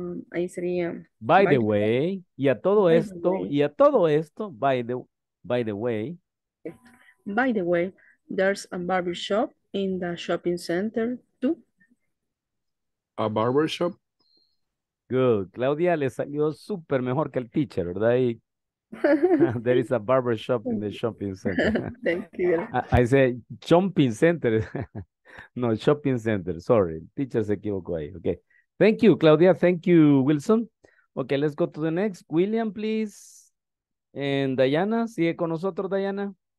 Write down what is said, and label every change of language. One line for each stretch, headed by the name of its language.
Spanish: Ahí sería.
English: By the way,
Spanish: y a todo esto,
English: by the way. By the way, there's a barber shop in the shopping center too. A barber shop? Good.
Spanish: Claudia le salió súper mejor que el teacher, ¿verdad? Y,
English: there is a barber shop in the shopping center. Thank you. I said shopping center. No, shopping center. Sorry. Teacher
Spanish: se equivocó ahí.
English: Okay. Thank you, Claudia. Thank you, Wilson. Okay, let's go to the next. William, please. And Diana,
Spanish: ¿sigue con nosotros, Diana?